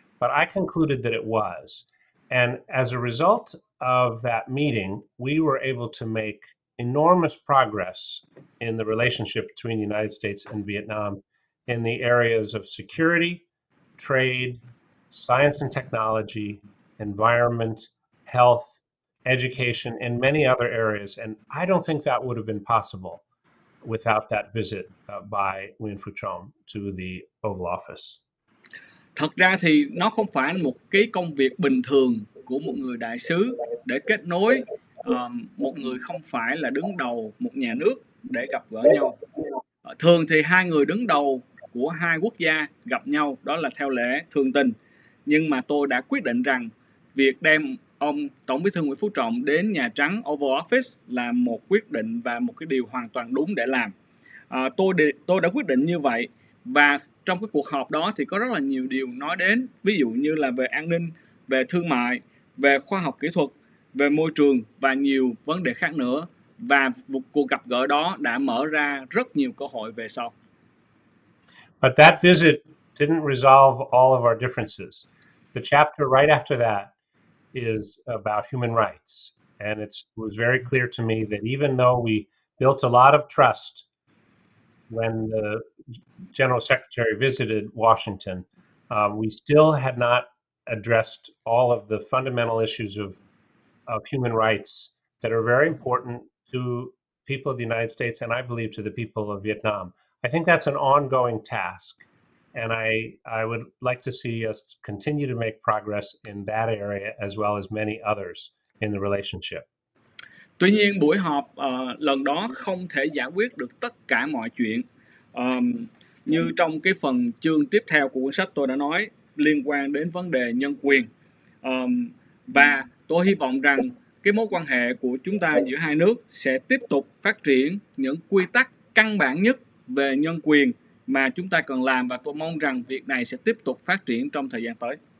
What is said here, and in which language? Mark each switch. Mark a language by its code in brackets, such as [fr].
[en] But I concluded that it was. And as a result of that meeting, we were able to make enormous progress in the relationship between the United States and Vietnam in the areas of security, trade, science and technology, environment, health, education, and many other areas. And I don't think that would have been possible without that visit by Nguyen Phu Trong to the Oval Office. [vi] Thật ra thì nó không phải là một cái công việc bình thường của một người đại sứ để kết nối một người không phải là đứng đầu một nhà nước để gặp gỡ nhau. Thường thì hai người đứng đầu của hai quốc gia gặp nhau, đó là theo lễ thường tình. Nhưng mà tôi đã quyết định rằng việc đem ông Tổng Bí thư Nguyễn Phú Trọng đến Nhà Trắng Oval Office là một quyết định và một cái điều hoàn toàn đúng để làm. Tôi đã quyết định như vậy, và trong cái cuộc họp đó thì có rất là nhiều điều nói đến, ví dụ như là về an ninh, về thương mại, về khoa học kỹ thuật, về môi trường và nhiều vấn đề khác nữa. Và cuộc gặp gỡ đó đã mở ra rất nhiều cơ hội về sau. [en] But that visit didn't resolve all of our differences. The chapter right after that is about human rights. And it was very clear to me that even though we built a lot of trust when the General Secretary visited Washington, we still had not addressed all of the fundamental issues of human rights that are very important to people of the United States and I believe to the people of Vietnam. I think that's an ongoing task, and I would like to see us continue to make progress in that area as well as many others in the relationship. [vi] Tuy nhiên, buổi họp lần đó không thể giải quyết được tất cả mọi chuyện. Như trong cái phần chương tiếp theo của cuốn sách tôi đã nói liên quan đến vấn đề nhân quyền. Và tôi hy vọng rằng cái mối quan hệ của chúng ta giữa hai nước sẽ tiếp tục phát triển những quy tắc căn bản nhất về nhân quyền mà chúng ta cần làm, và tôi mong rằng việc này sẽ tiếp tục phát triển trong thời gian tới.